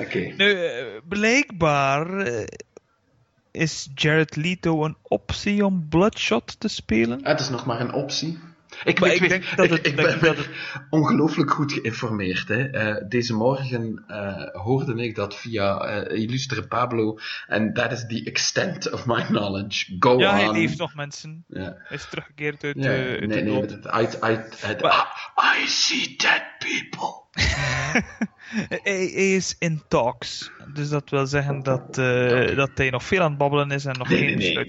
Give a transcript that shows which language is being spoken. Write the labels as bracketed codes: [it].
[nl] Okay. Nu, blijkbaar is Jared Leto een optie om Bloodshot te spelen. Het is nog maar een optie. Ik ben ongelooflijk goed geïnformeerd. Hè. Deze morgen hoorde ik dat via Illustre Pablo. [en] And that is the extent of my knowledge. Go [nl] ja, [en] on. [nl] Ja, hij leeft nog, mensen. Yeah. Hij is teruggekeerd uit [en] I see dead people. [nl] Hij is in talks. Dus dat wil zeggen dat hij nog veel aan het babbelen is en nog geen besluit.